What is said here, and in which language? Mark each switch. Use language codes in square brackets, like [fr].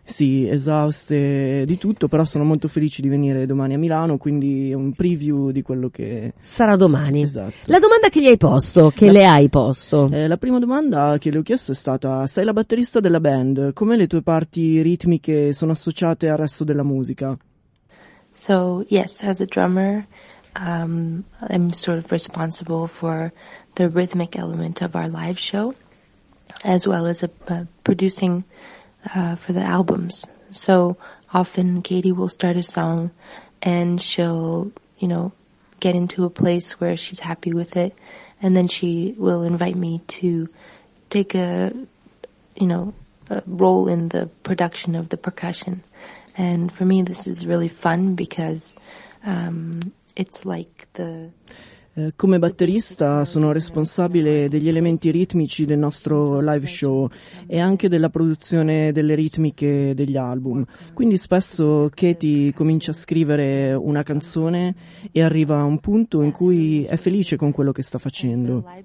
[it] Sì, esauste di tutto, però sono molto felici di venire domani a Milano, quindi è un preview di quello che sarà domani. Esatto. La domanda che gli hai posto, La prima domanda che le ho chiesto è stata: sei la batterista della band, come le tue parti ritmiche che sono associate al resto della musica? [en] So, yes, as a drummer, I'm sort of responsible for the rhythmic element of our live show, as well as producing for the albums. So, often Katie will start a song and she'll, you know, get into a place where she's happy with it, and then she will invite me to take a, you know, a role in the production of the percussion. And for me this is really fun because it's like the [it] come batterista sono responsabile degli elementi ritmici del nostro live show e anche della produzione delle ritmiche degli album. Quindi spesso Katie comincia a scrivere una canzone e arriva a un punto in cui è felice con quello che sta facendo.